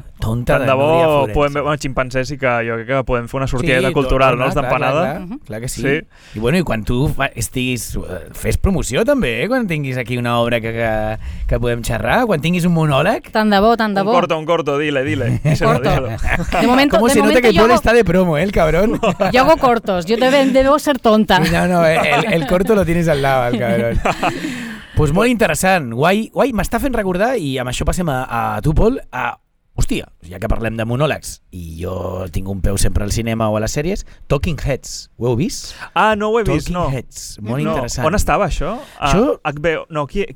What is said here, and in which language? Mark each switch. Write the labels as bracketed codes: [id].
[es] No? tonta [ca] tant de bo Núria podem veure un ximpanzé, sí que jo crec que podem fer una sortida cultural, no? D'empanada. Clar que sí. I bueno, i quan tu estiguis, fes promoció també, quan tinguis aquí una obra que podem xerrar, quan tinguis un monòleg. Tant de bo, tant de bo. [es] Un corto, dile. [ca] Corto. De moment, [es] ¿cómo se nota que Paul está de promo, el cabrón? Yo hago cortos, yo debo ser tonta. No, el corto lo tienes al lado, el cabrón. [ca] Pues molt interessant, guai, m'està fent recordar, i amb això passem a tu, Paul, a... Hòstia, ja que parlem de monòlegs i jo tinc un peu sempre al cinema o a les sèries, Talking Heads, ho heu vist? Ah, no ho he vist, Talking Heads, molt interessant. On estava això? HBO, no, qui...